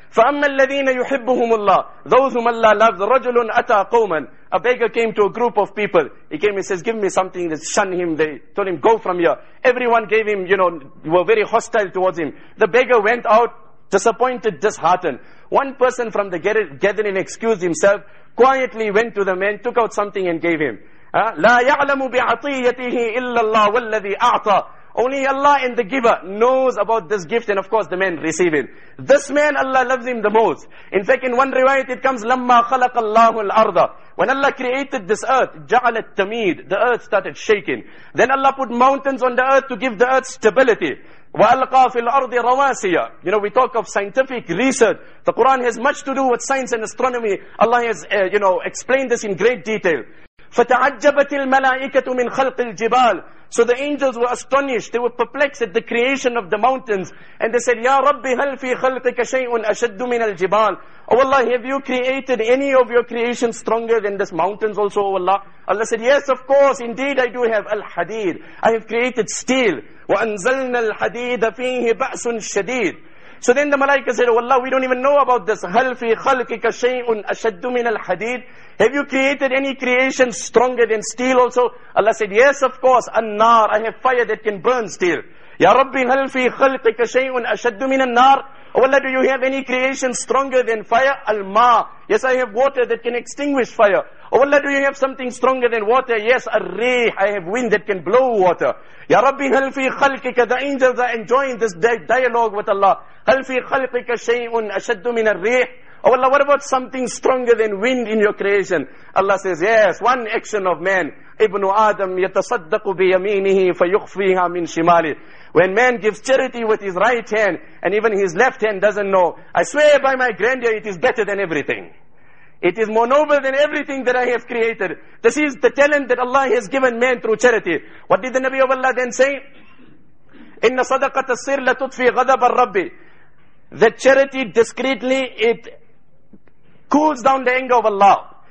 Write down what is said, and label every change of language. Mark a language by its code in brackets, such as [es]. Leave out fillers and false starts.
[ar] فَأَمَّا الَّذِينَ يُحِبُّهُمُ اللَّهِ [en] Those whom Allah loves, [ar] رَجُلٌ أَتَى قَوْمًا [en] A beggar came to a group of people. He came and says, give me something. They shun him. They told him, go from here. Everyone gave him, you know, were very hostile towards him. The beggar went out, disappointed, disheartened. One person from the gathering excused himself, quietly went to the man, took out something and gave him. [ar] لا يعلم بعطيته إلا الله والذي أعطى. [en] Only Allah and the giver knows about this gift and of course the man receiving. This man, Allah loves him the most. In fact, in one riwayat it comes, [ar] لَمَّا خَلَقَ اللَّهُ الْأَرْضَ. [en] When Allah created this earth, [ar] جَعَلَ التَّمِيدُ. [en] The earth started shaking. Then Allah put mountains on the earth to give the earth stability. [ar] وَأَلْقَى فِي الْأَرْضِ رَوَاسِيَ. [en] You know, we talk of scientific research. The Quran has much to do with science and astronomy. Allah has, explained this in great detail. [ar] فَتَعَجَّبَتِ الْمَلَائِكَةُ مِنْ خَلْقِ الْجِبَالِ. [en] So the angels were astonished, they were perplexed at the creation of the mountains. And they said, [ar] يَا رَبِّ هَلْ فِي خَلْقِكَ شَيْءٌ أَشَدُّ مِنَ الْجِبَالِ. [en] Oh Allah, have you created any of your creation stronger than this mountains also, oh Allah? Allah said, yes, of course, indeed I do have al-hadid. I have created steel. [ar] وَأَنْزَلْنَا الْحَدِيدَ فِيهِ بَأْسٌ شَدِيدٌ. [en] So then the malaika said, oh Allah, we don't even know about this. [ar] هَلْ فِي خَلْقِكَ شَيْءٌ أَشَدُّ مِنَ الْحَدِيدِ. [en] Have you created any creation stronger than steel also? Allah said, yes, of course. [ar] النار. [en] I have fire that can burn steel. [ar] يَا رَبِّ هَلْ فِي خَلْقِكَ شَيْءٌ أَشَدُّ مِنَ النَّارِ. [en] Oh Allah, do you have any creation stronger than fire? [ar] الْمَا. [en] Yes, I have water that can extinguish fire. Oh Allah, do you have something stronger than water? Yes, الريح. I have wind that can blow water. [ar] يَا رَبِّ هَلْ فِي خَلْقِكَ. [en] The angels are enjoying this dialogue with Allah. [ar] هَلْ فِي خَلْقِكَ شَيْءٌ أَشَدُّ مِنَ الرِّيحِ. [en] Oh Allah, what about something stronger than wind in your creation? Allah says, yes, one action of man. [ar] ابن آدم يتصدق بيمينه فيخفيها من شماله. [en] When man gives charity with his right hand and even his left hand doesn't know, I swear by my grandeur, it is better than everything. It is more noble than everything that I have created. This is the talent that Allah has given man through charity. What did the Nabi of Allah then say? [ar] Inna sadaqata sir la tutfi ghadab al-Rabbi. [en] That charity discreetly, it cools down the anger of Allah.